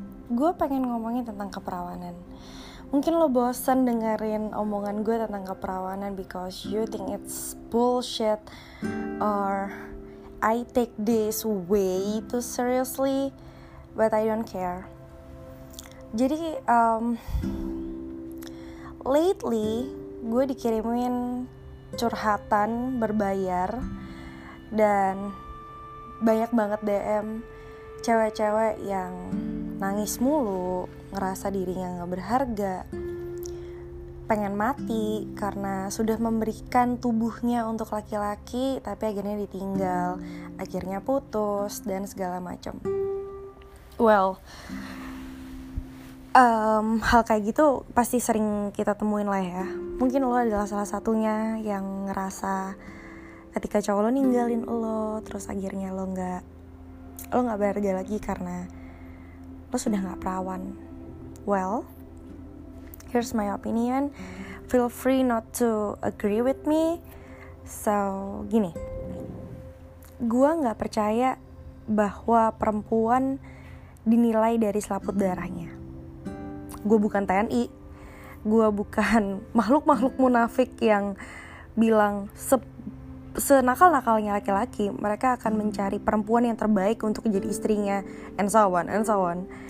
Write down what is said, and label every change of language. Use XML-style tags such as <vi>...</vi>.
<id>Gue pengen ngomongin tentang keperawanan. Mungkin lo bosan dengerin omongan gue tentang keperawanan</id> <en>because you think it's bullshit or I take this way too seriously, but I don't care.</en> <id>Jadi, lately gue dikirimin curhatan berbayar dan banyak banget DM cewek-cewek yang nangis mulu, ngerasa dirinya gak berharga, pengen mati karena sudah memberikan tubuhnya untuk laki-laki tapi akhirnya ditinggal, akhirnya putus dan segala macam. Well, hal kayak gitu pasti sering kita temuin lah ya. Mungkin lo adalah salah satunya yang ngerasa ketika cowok lo ninggalin lo, terus akhirnya lo gak berharga lagi karena lo sudah gak perawan.</id> <en>Well, here's my opinion. Feel free not to agree with me.</en> <id>So, gini. Gua gak percaya bahwa perempuan dinilai dari selaput darahnya. Gua bukan TNI. Gua bukan makhluk-makhluk munafik yang bilang senakal-nakalnya laki-laki, mereka akan mencari perempuan yang terbaik untuk jadi istrinya,</id> <en>and so on, and so on.</en>